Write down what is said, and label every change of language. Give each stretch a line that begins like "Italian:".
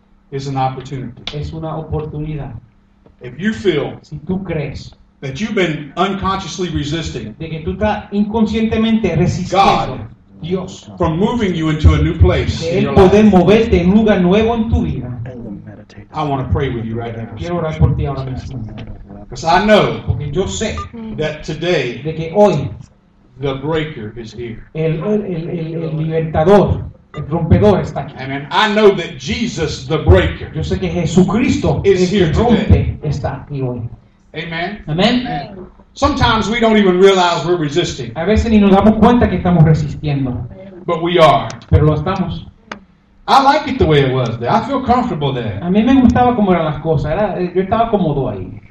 English: Is an opportunity.
Spanish: Es una oportunidad.
English: If you feel.
Spanish: Si tú crees.
English: That you've been unconsciously resisting.
Spanish: De que tú estás inconscientemente resistiendo.
English: God.
Spanish: Dios.
English: From moving you into a new place.
Spanish: De él poder moverte en un lugar nuevo en tu vida.
English: I want to pray with you right now.
Spanish: Quiero orar por ti ahora mismo.
English: Because I know
Spanish: yo sé
English: that today
Spanish: de que hoy
English: the breaker is here.
Spanish: El libertador, el rompedor está aquí.
English: Amen. I know that Jesus the breaker
Spanish: yo sé que Jesucristo
English: is here
Spanish: rompe
English: today.
Spanish: Está aquí hoy.
English: Amen. Amen. Sometimes we don't even realize we're resisting.
Spanish: A veces ni nos damos cuenta que estamos resistiendo.
English: But we are.
Spanish: Pero lo estamos.
English: I like it the way it was there. I feel comfortable there.
Spanish: A mí me gustaba cómo eran las cosas. Yo estaba cómodo ahí.